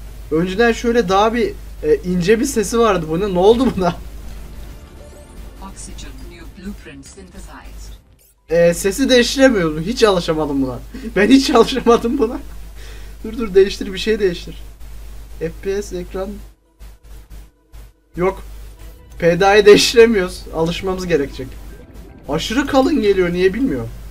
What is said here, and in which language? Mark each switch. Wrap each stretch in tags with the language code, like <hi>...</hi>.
<tr>Önceden şöyle daha bir ince bir sesi vardı bunun. Ne oldu buna?</tr> <en>Oxygen new blueprint synthesized.</en> <tr>Sesi değiştiremiyorum. Hiç alışamadım buna. Ben hiç alışamadım buna. Dur değiştir, bir şey değiştir. FPS ekran. Yok. PDA'yı değiştiremiyoruz. Alışmamız gerekecek. Aşırı kalın geliyor, niye bilmiyorum.</tr>